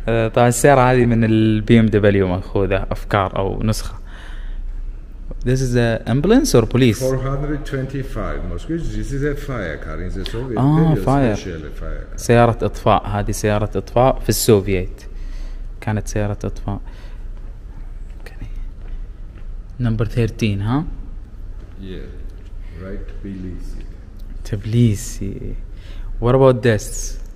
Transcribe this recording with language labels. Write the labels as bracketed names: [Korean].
[Arabic] طبعا السيارة هذه من البي ام دبليو مأخوذة أفكار أو نسخة. [English] This is an ambulance or police? 425 Moskvich. This is a fire car in the Soviet Union. Fire. [Arabic] سيارة إطفاء. هذه سيارة إطفاء في السوفييت. كانت سيارة إطفاء. Okay. نمبر 13 ها؟ [English] Yeah, right, Tbilisi. Tbilisi. What about this?